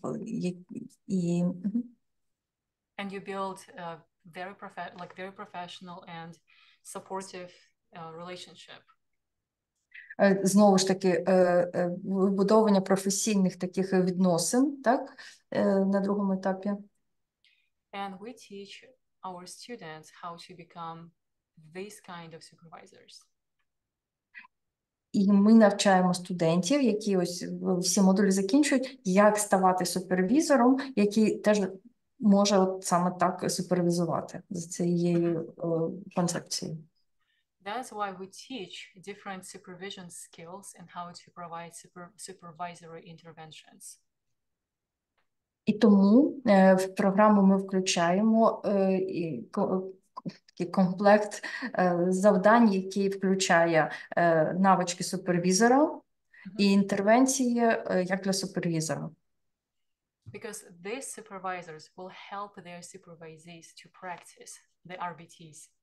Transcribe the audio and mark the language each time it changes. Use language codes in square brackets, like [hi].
[en] And you build a very very professional and supportive relationship. [uk] Знову ж таки, вибудовування професійних таких відносин, так, на другому етапі. [en] And we teach our students how to become this kind of supervisors. [uk] І ми навчаємо студентів, які ось всі модулі закінчують, як ставати супервізором, який теж може от саме так супервізувати за цією концепцією. [en] That's why we teach different supervision skills and how to provide supervisory interventions. [uk] І тому в програму ми включаємо такий комплект завдань, який включає навички супервізора і інтервенції як для супервізора. [en] Because these supervisors will help their supervisees to practice the RBTs.